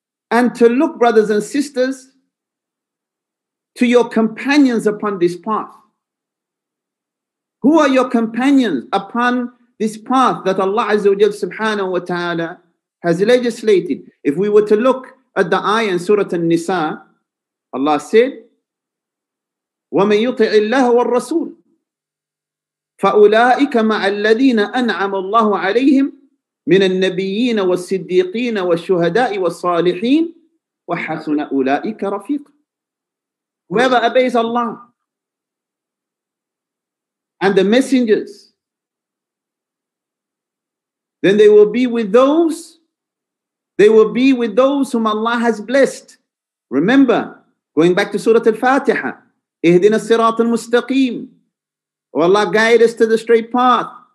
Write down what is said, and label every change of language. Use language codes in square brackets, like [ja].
[en] And to look, brothers and sisters, to your companions upon this path. Who are your companions upon this path that Allah Azza wa Jalla subhanahu wa ta'ala has legislated? If we were to look at the ayah in Surah An-Nisa, Allah said, [ar] وَمَنْ يُطِعِ اللَّهَ وَالرَّسُولِ فَأُولَٰئِكَ مَعَ الَّذِينَ أَنْعَمَ اللَّهُ عَلَيْهِمْ من النبيين والصديقين والشهداء والصالحين وحسن أولئك رفيق. [en] Whoever obeys Allah and the messengers, then they will be with those, they will be with those whom Allah has blessed. Remember, going back to Surah Al-Fatiha, [ar] اهدنا الصراط المستقيم, [en] oh Allah, guide us to the straight path.